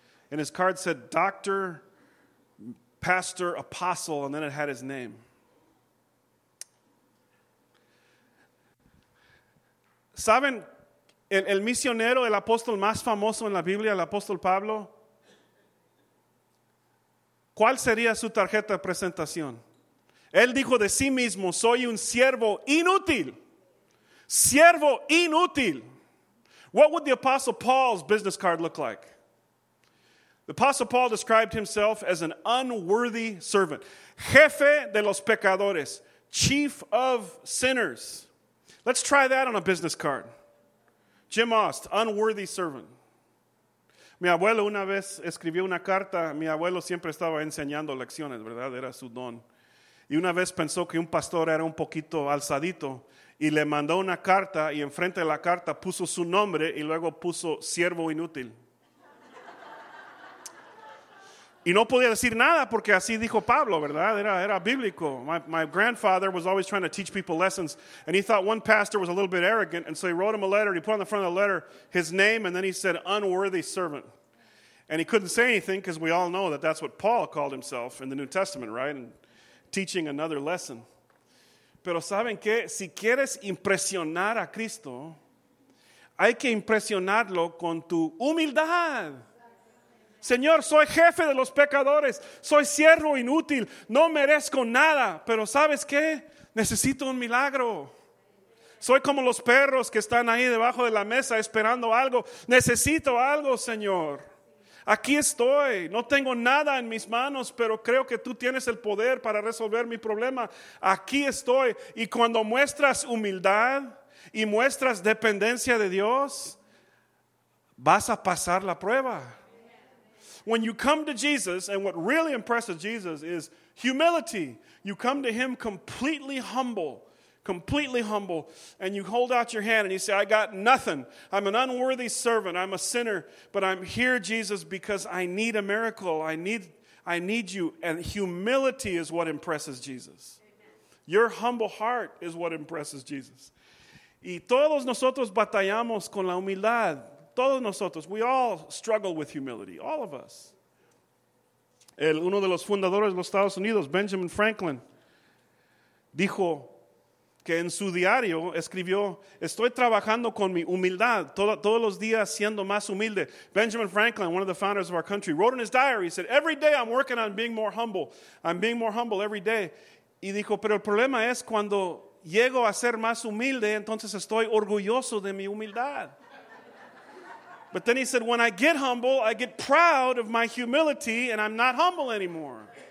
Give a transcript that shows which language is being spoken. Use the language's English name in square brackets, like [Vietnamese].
[English] And his card said doctor, pastor, apostle, and then it had his name. [Spanish] ¿Saben el misionero, el apóstol más famoso en la Biblia, el apóstol Pablo? ¿Cuál sería su tarjeta de presentación? Él dijo de sí mismo, soy un siervo inútil. Siervo inútil. [English] What would the Apostle Paul's business card look like? The Apostle Paul described himself as an unworthy servant. [Spanish] Jefe de los pecadores. [English] Chief of sinners. Let's try that on a business card. Jim Ost, unworthy servant. [Spanish] Mi abuelo una vez escribió una carta. Mi abuelo siempre estaba enseñando lecciones, ¿verdad? Era su don. Y una vez pensó que un pastor era un poquito alzadito y le mandó una carta, y enfrente de la carta puso su nombre y luego puso siervo inútil. Y no podía decir nada porque así dijo Pablo, ¿verdad? Era bíblico. [English] My grandfather was always trying to teach people lessons, and he thought one pastor was a little bit arrogant, and so he wrote him a letter, and he put on the front of the letter his name, and then he said, unworthy servant. And he couldn't say anything because we all know that that's what Paul called himself in the New Testament, right? And teaching another lesson. [Spanish] Pero ¿saben qué? Si quieres impresionar a Cristo, hay que impresionarlo con tu humildad. Señor, soy jefe de los pecadores, soy siervo inútil, no merezco nada, pero ¿sabes qué? Necesito un milagro. Soy como los perros que están ahí debajo de la mesa esperando algo, necesito algo, Señor. Aquí estoy, no tengo nada en mis manos, pero creo que tú tienes el poder para resolver mi problema. Aquí estoy, y cuando muestras humildad y muestras dependencia de Dios, vas a pasar la prueba. [English] When you come to Jesus, and what really impresses Jesus is humility. You come to him completely humble, and you hold out your hand and you say, I got nothing. I'm an unworthy servant. I'm a sinner, but I'm here, Jesus, because I need a miracle. I need you. And humility is what impresses Jesus. Amen. Your humble heart is what impresses Jesus. [Spanish] Y todos nosotros batallamos con la humildad. Todos nosotros, [English] we all struggle with humility, all of us. [Spanish] Uno de los fundadores de los Estados Unidos, Benjamin Franklin, dijo que en su diario escribió, estoy trabajando con mi humildad, todos los días siendo más humilde. [English] Benjamin Franklin, one of the founders of our country, wrote in his diary, he said, every day I'm working on being more humble. I'm being more humble every day. [Spanish] Y dijo, pero el problema es cuando llego a ser más humilde, entonces estoy orgulloso de mi humildad. [English] But then he said, when I get humble, I get proud of my humility and I'm not humble anymore.